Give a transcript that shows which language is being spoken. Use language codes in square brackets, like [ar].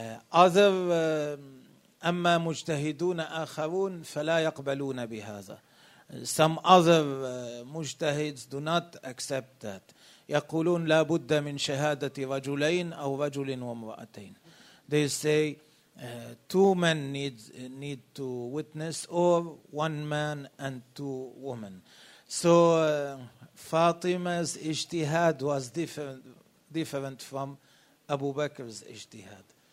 [ar] Other أما مجتهدون آخرون فلا يقبلون بهذا. [en] Some other مجتهدين do not accept that. [ar] يقولون لا بد من شهادة رجلين أو رجل ومرأتين. [en] They say two men need to witness, or one man and two women. So Fatima's ijtihad was different from Abu Bakr's ijtihad.